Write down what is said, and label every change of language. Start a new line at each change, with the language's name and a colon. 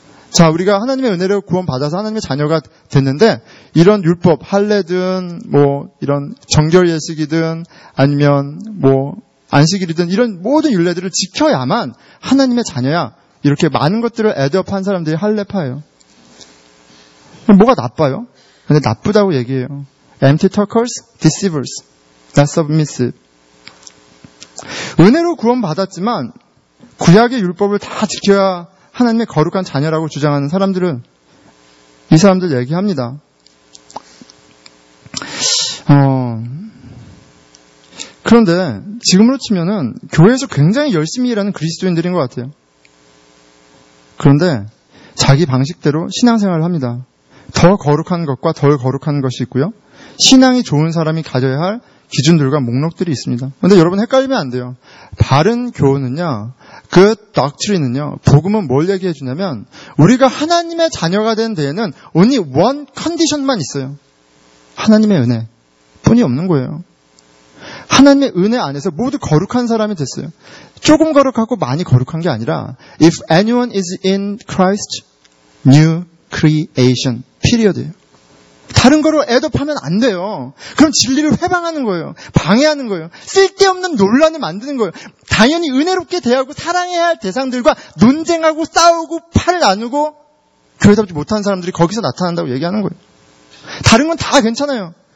Korean: 자, 우리가 하나님의 은혜로 구원받아서 하나님의 자녀가 됐는데 이런 율법, 할례든 뭐 이런 정결 예식이든 아니면 뭐 안식일이든 이런 모든 율례들을 지켜야만 하나님의 자녀야. 이렇게 많은 것들을 애드업한 사람들이 할례파예요. 뭐가 나빠요? 근데 나쁘다고 얘기해요.
English: Empty talkers, deceivers, not submissive.
Korean: 은혜로 구원받았지만 구약의 율법을 다 지켜야 하나님의 거룩한 자녀라고 주장하는 사람들은 이 사람들 얘기합니다. 그런데 지금으로 치면은 교회에서 굉장히 열심히 일하는 그리스도인들인 것 같아요. 그런데 자기 방식대로 신앙생활을 합니다. 더 거룩한 것과 덜 거룩한 것이 있고요. 신앙이 좋은 사람이 가져야 할 기준들과 목록들이 있습니다. 그런데 여러분 헷갈리면 안 돼요. 바른 교훈은요. 그 doctrine은요, 복음은 뭘 얘기해 주냐면 우리가 하나님의 자녀가 된 데에는
English: only one condition
Korean: 만 있어요. 하나님의 은혜 뿐이 없는 거예요. 하나님의 은혜 안에서 모두 거룩한 사람이 됐어요. 조금 거룩하고 많이 거룩한 게 아니라
English: if anyone is in Christ, new creation, period.
Korean: 다른 거로 애덮하면 안 돼요. 그럼 진리를 회방하는 거예요. 방해하는 거예요. 쓸데없는 논란을 만드는 거예요. 당연히 은혜롭게 대하고 사랑해야 할 대상들과 논쟁하고 싸우고 팔을 나누고 교회답지 못하는 사람들이 거기서 나타난다고 얘기하는 거예요. 다른 건 다 괜찮아요.